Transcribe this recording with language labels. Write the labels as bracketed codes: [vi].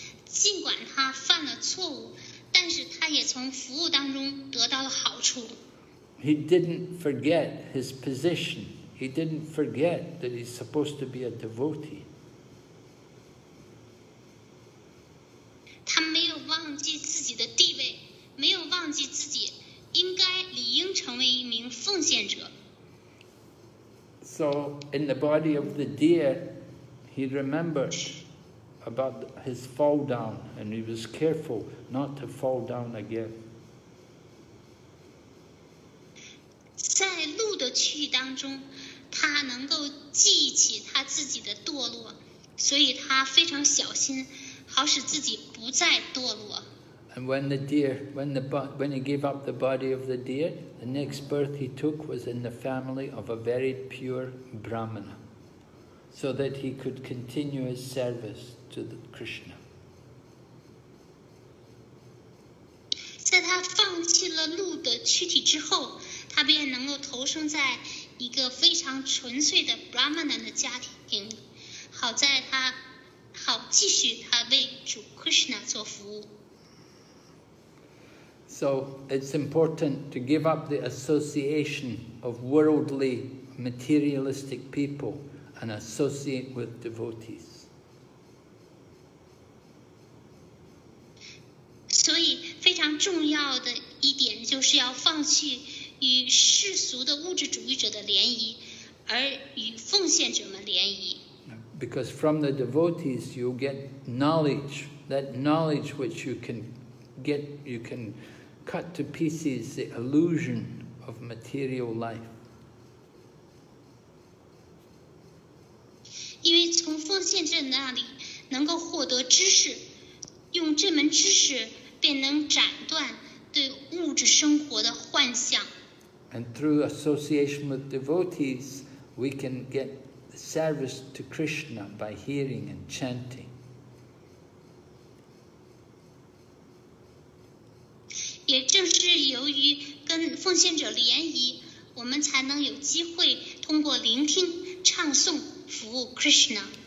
[zh] 尽管他犯了错误，但是他也从服务当中得到了好处。 [en] He didn't forget his position. He didn't forget that he's supposed to be a devotee. [zh] 他没有忘记自己的地位，没有忘记自己应该理应成为一名奉献者。 [en] So in the body of the deer, he remembered about his fall down, and he was careful not to fall down again. [zh] 在鹿的躯体当中，他能够记起他自己的堕落，所以他非常小心，好使自己不再堕落。 [en] And when he gave up the body of the deer, the next birth he took was in the family of a very pure Brahmana, so that he could continue his service to the Krishna. [zh] 在他放弃了鹿的躯体之后，他便能够投生在一个非常纯粹的 Brahmana 的家庭，好在他好继续他为主 Krishna 做服务。 [en] So it's important to give up the association of worldly, materialistic people and associate with devotees. [zh] 所以非常重要的一点就是要放弃与世俗的物质主义者的联谊，而与奉献者们联谊。 [en] Because from the devotees you get knowledge, that knowledge which you can get, you can... cut to pieces the illusion of material life. [zh] 因为从奉献者那里能够获得知识，用这门知识便能斩断对物质生活的幻想。 [en] And through association with devotees, we can get service to Krishna by hearing and chanting. [zh] 也正是由于跟奉献者联谊，我们才能有机会通过聆听、唱诵服务 Krishna。